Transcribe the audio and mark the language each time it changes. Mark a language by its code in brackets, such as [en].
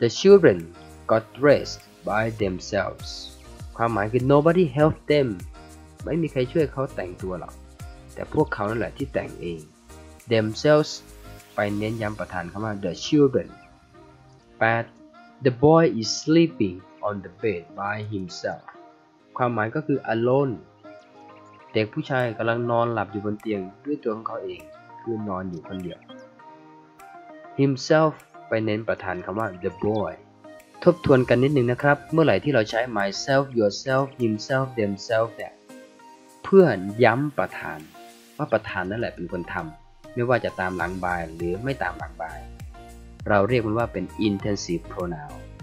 [en] The children got dressed by themselves [th] ความหมายคือ [en] nobody helped them [th] ไม่มีใครช่วยเขาแต่งตัวหรอกแต่พวกเขานั่นแหละที่แต่งเอง themselves ไปเน้นย้ำประธานคำว่า the children 8. [en] The boy is sleeping on the bed by himself. [th] ความหมายก็คือ alone. เด็กผู้ชายกำลังนอนหลับอยู่บนเตียงด้วยตัวของเขาเองคือนอนอยู่คนเดียว himself ไปเน้นประธานคำว่า the boy. ทบทวนกันนิดนึงนะครับเมื่อไหร่ที่เราใช้ myself, yourself, himself, themselves เพื่อย้ำประธานว่าประธานนั่นแหละเป็นคนทำไม่ว่าจะตามหลัง by หรือไม่ตามหลัง byเราเรียกมันว่าเป็น intensive pronoun